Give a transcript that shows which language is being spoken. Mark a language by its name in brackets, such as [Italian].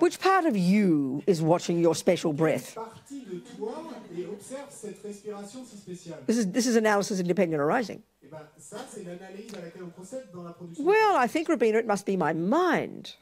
[English] Which part of you is watching your special breath? [French] Partie de toi et observe cette respiration si spéciale. [English] This is analysis of dependent arising. [French] Eh ben, ça, c'est l'analyse à laquelle on procède dans la production. [English] Well, I think, Robina, it must be my mind.